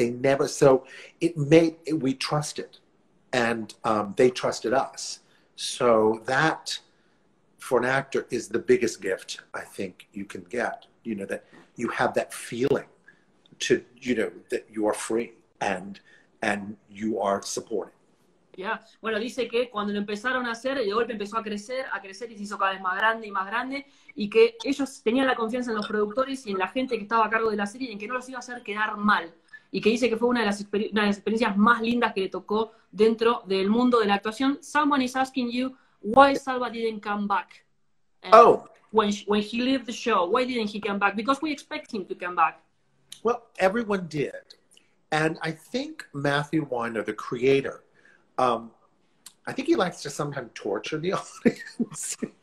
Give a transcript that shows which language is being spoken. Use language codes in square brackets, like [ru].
[en] They never, so it made, we trusted, and they trusted us. So that, for an actor, is the biggest gift I think you can get, you know, that you have that feeling to, you know, that you are free and you are supported. Yeah. [es] Bueno, dice que cuando lo empezaron a hacer, de golpe empezó a crecer y se hizo cada vez más grande, y que ellos tenían la confianza en los productores y en la gente que estaba a cargo de la serie, en que no los iba a hacer quedar mal, y que dice que fue una de las experiencias más lindas que le tocó dentro del mundo de la actuación. [en] Someone is asking you why Salva didn't come back. When he left the show, why didn't he come back? Because we expect him to come back. Well, everyone did. And I think Matthew Weiner, the creator, I think he likes to sometimes torture the audience.